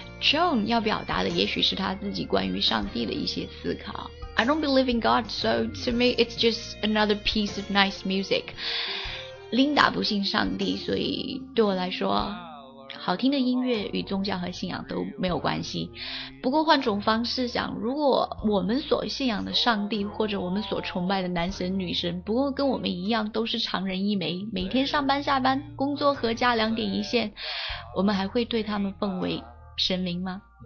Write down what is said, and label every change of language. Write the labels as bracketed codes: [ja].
[zh] John 要表达的也许是他自己关于上帝的一些思考。 [en] I don't believe in God, so to me it's just another piece of nice music. [zh] Linda 不信上帝，所以对我来说好听的音乐与宗教和信仰都没有关系。不过换种方式想，如果我们所信仰的上帝或者我们所崇拜的男神女神不过跟我们一样都是常人一枚，每天上班下班，工作和家两点一线，我们还会对他们奉为神明吗？